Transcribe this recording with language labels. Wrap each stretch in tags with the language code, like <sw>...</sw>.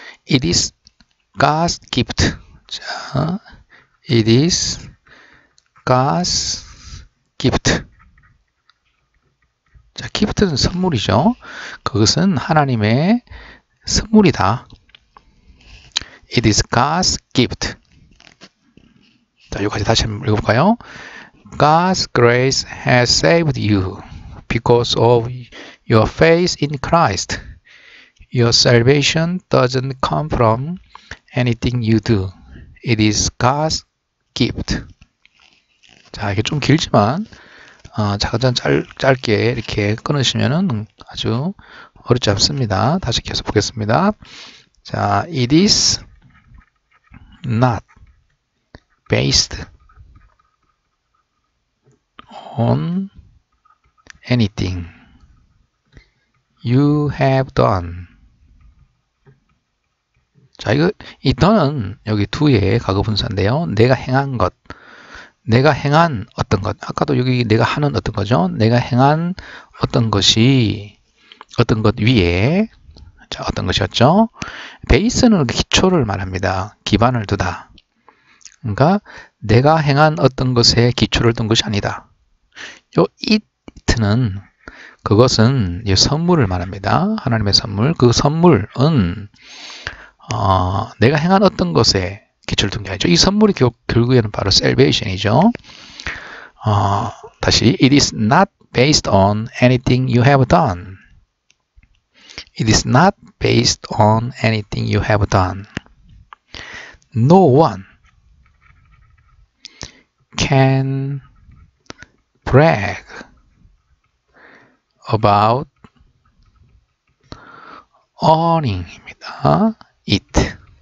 <en>It is God's gift. 자, It is God's gift.</en> <ko>자, gift는 선물이죠. 그것은 하나님의 선물이다.</ko> <en>It is God's gift.</en> <ko>자, 여기까지 다시 한번 읽어볼까요?</ko> <en>God's grace has saved you because of your faith in Christ. Your salvation doesn't come from anything you do. It is God's gift.</en> <ko>자, 이게 좀 길지만 잠깐 짧게 이렇게 끊으시면은 아주 어렵지 않습니다. 다시 계속 보겠습니다.</ko> <en>자, it is not based on anything you have done.</en> <ko>자, 이거, 이 done은 여기 두의 과거분사인데요. 내가 행한 것. 내가 행한 어떤 것. 아까도 여기 내가 하는 어떤 거죠. 내가 행한 어떤 것이, 어떤 것 위에. 자, 어떤 것이었죠? 베이스는 기초를 말합니다. 기반을 두다. 그러니까 내가 행한 어떤 것에 기초를 둔 것이 아니다. 요 it는 그것은 이 선물을 말합니다. 하나님의 선물. 그 선물은 내가 행한 어떤 것에 기초를 둔게 아니죠. 이 선물이 결국에는 바로 salvation이죠.</ko> <en>다시, it is not based on anything you have done. It is not based on anything you have done. No one can brag about earning입니다. It.</en>